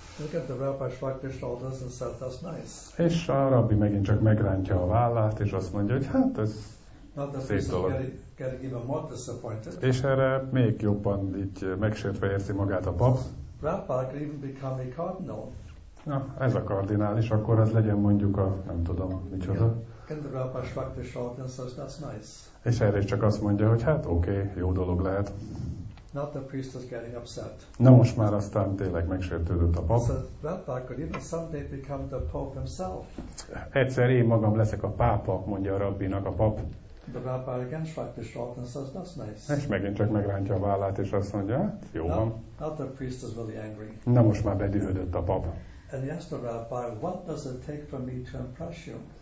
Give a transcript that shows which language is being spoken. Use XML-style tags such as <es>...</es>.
<en>Look at the rabbi shrugged his shoulders and said, "That's nice."</en> <hu>És a rabbi megint csak megrántja a vállát, és azt mondja, hogy hát ez szép dolog.</hu> <en>Getting even more disappointed.</en> <hu>És erre még jobban így megsértve érzi magát a pap.</hu> <en>Rabbi could even become a cardinal.</en> <hu>Na, ez a kardinális, akkor ez legyen mondjuk a, nem tudom, micsoda.</hu> <en>And the rabbi shrugged his shoulders and says, "That's nice."</en> <hu>És erre csak azt mondja, hogy hát okay, jó dolog lehet.</hu> <en>Not the priest is getting upset.</en> <hu>Na most már aztán tényleg megsértődött a pap.</hu> <en>So rabbi could even someday become the pope himself.</en> <hu>Egyszer én magam leszek a pápa, mondja a rabbinak a pap.</hu> <en>The rabbi again shrugged his shoulders and says, "That's nice."</en> <hu>És megint csak megrántja a vállát, és azt mondja, jó van.</hu> <en>Not the priest is really angry.</en> <hu>Na most már bedühödött a pap.</hu> <en>And he asked the rabbi, "What does it take for me to impress you?"</en>